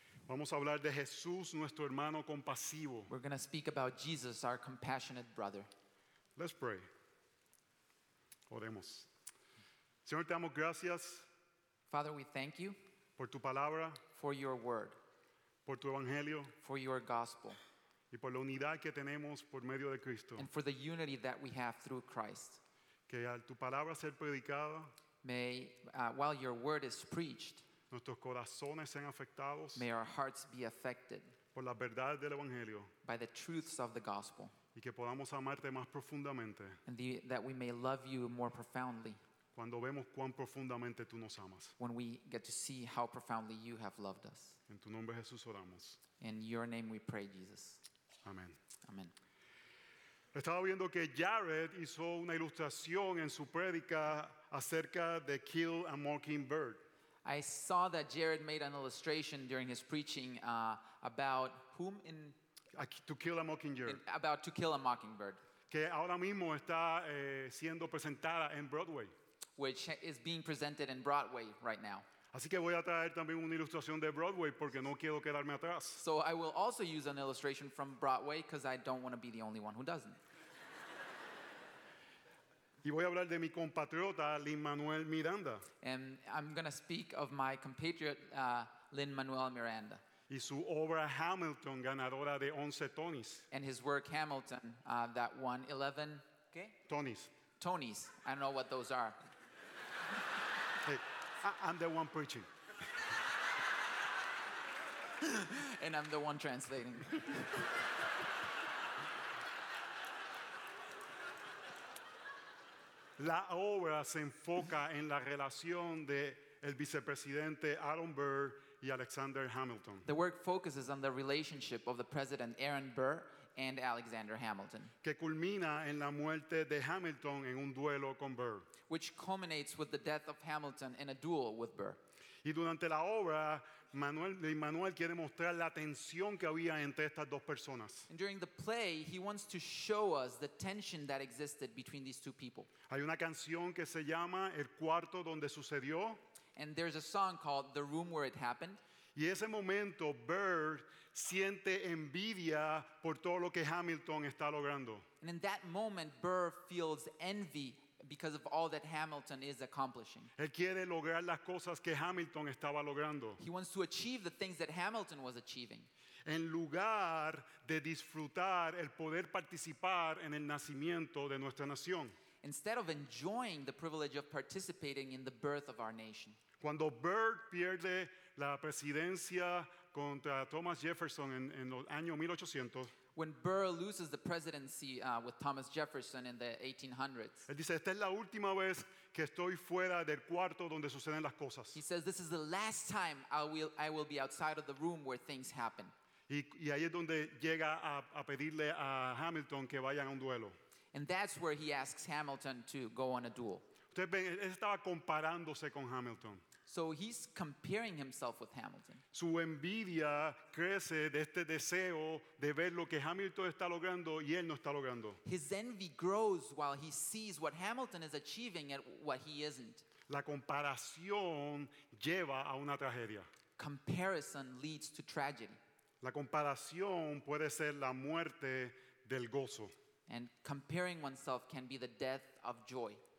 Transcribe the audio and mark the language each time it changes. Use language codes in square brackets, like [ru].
[es] Vamos a hablar de Jesús, nuestro hermano compasivo. [en] We're going to speak about Jesus, our compassionate brother. Let's pray. [es] Oremos. Señor, te damos gracias. [en] Father, we thank you. [es] Por tu palabra. [en] For your word. [es] Por tu evangelio. [en] For your gospel. [es] Y por la unidad que tenemos por medio de Cristo. [en] And for the unity that we have through Christ. [es] Que al tu palabra ser predicada, [en] while your word is preached, [es] nuestros corazones sean afectados, [en] may our hearts be affected [es] por la verdad del evangelio, [en] by the truths of the gospel, [es] y que podamos amarte más profundamente, [en] and that we may love you more profoundly, [es] cuando vemos cuán profundamente tú nos amas, [en] when we get to see how profoundly you have loved us. [es] En tu nombre, Jesús, oramos. [en] In your name we pray, Jesus. [es] Amén. [en] Amén. [es] Estaba viendo que Jared hizo una ilustración en su prédica acerca de Kill a Mockingbird. [en] I saw that Jared made an illustration during his preaching about whom in To Kill a Mockingbird. About To Kill a Mockingbird. [es] Que ahora mismo está siendo presentada en Broadway. [en] Which is being presented in Broadway right now. [es] Así que voy a traer también una ilustración de Broadway porque no quiero quedarme atrás. [en] So I will also use an illustration from Broadway because I don't want to be the only one who doesn't. [es] Y voy a hablar de mi compatriota Lin-Manuel Miranda. [en] And I'm going to speak of my compatriot Lin-Manuel Miranda. [es] Y su obra Hamilton, ganadora de 11 Tonys. [en] And his work Hamilton, that won 11 okay. Tonys. Tonys. I don't know what those are. Hey. I'm the one preaching. And I'm the one translating. [es] La obra se enfoca en la relación de el vicepresidente Aaron Burr y Alexander Hamilton. [en] The work focuses on the relationship of the president Aaron Burr and Alexander Hamilton. [es] Que culmina en la muerte de Hamilton en un duelo con Burr. [en] Which culminates with the death of Hamilton in a duel with Burr. [es] Y durante la obra, Manuel quiere mostrar la tensión que había entre estas dos personas. [en] And during the play, he wants to show us the tension that existed between these two people. [es] Hay una canción que se llama El cuarto donde sucedió. [en] And there's a song called The Room Where It Happened. [es] Y ese momento, Burr siente envidia por todo lo que Hamilton está logrando. [en] And in that moment, Burr feels envy because of all that Hamilton is accomplishing. [es] Él quiere lograr las cosas que Hamilton estaba logrando. [en] He wants to achieve the things that Hamilton was achieving. [es] En lugar de disfrutar el poder participar en el nacimiento de nuestra nación. [en] Instead of enjoying the privilege of participating in the birth of our nation. [es] Cuando Burr pierde la presidencia contra Thomas Jefferson en los años 1800, [en] when Burr loses the presidency with Thomas Jefferson in the 1800s, [es] él dice, esta es la última vez que estoy fuera del cuarto donde suceden las cosas. [en] He says, this is the last time I will be outside of the room where things happen. [es] Y ahí es donde llega a pedirle a Hamilton que vayan a un duelo. [en] And that's where he asks Hamilton to go on a duel. [es] Ustedes ven, él estaba comparándose con Hamilton. [en] So he's comparing himself with Hamilton. [es] Su envidia crece de este deseo de ver lo que Hamilton está logrando y él no está logrando. [en] His envy grows while he sees what Hamilton is achieving and what he isn't. [es] La comparación lleva a una tragedia. [en] Comparison leads to tragedy. [es] La comparación puede ser la muerte del gozo. [en] And comparing oneself can be the death of joy.